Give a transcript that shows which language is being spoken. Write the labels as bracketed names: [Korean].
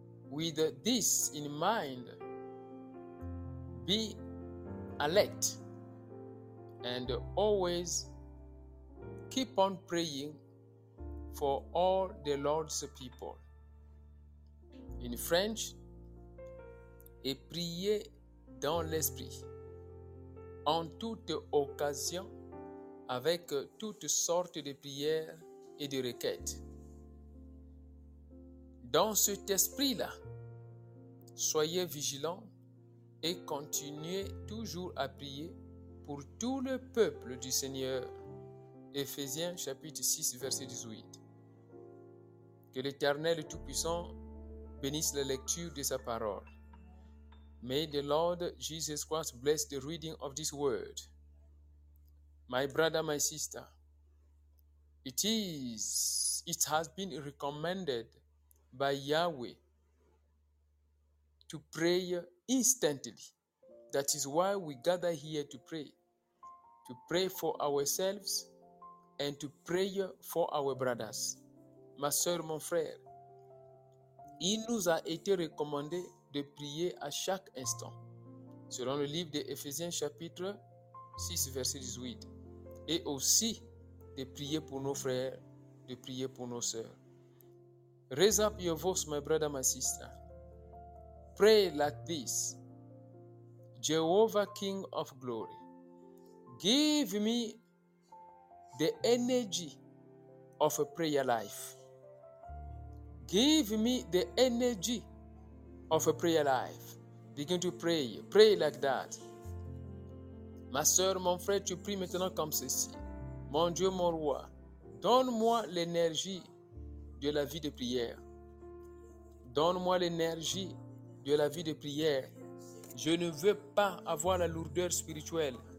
[English] With this in mind, be alert and always keep on praying for all the Lord's people. In French, [French] et priez dans l'esprit, en toute occasion, avec toutes sortes de prières et de requêtes. Dans cet esprit-là, soyez vigilants et continuez toujours à prier pour tout le peuple du Seigneur. Éphésiens chapitre 6, verset 18. Que l'Éternel Tout-Puissant bénisse la lecture de sa parole. [English] May the Lord Jesus Christ bless the reading of this word. My brother, my sister, it has been recommended by Yahweh to pray instantly. That is why we gather here to pray. to pray for ourselves and to pray for our brothers. [French] Ma soeur, mon frère, il nous a été recommandé de prier à chaque instant, selon le livre d'Éphésiens chapitre 6, verset 18, et aussi de prier pour nos frères, de prier pour nos sœurs. [English] Raise up your voice, my brother, my sister. Pray like this. Jehovah, King of Glory, give me the energy of a prayer life. Give me the energy of a prayer life. Begin to pray. Pray like that. [French] Ma sœur, mon frère, tu pries maintenant comme ceci. Mon Dieu, mon roi, donne-moi l'énergie de la vie de prière. Donne-moi l'énergie de la vie de prière. Je ne veux pas avoir la lourdeur spirituelle.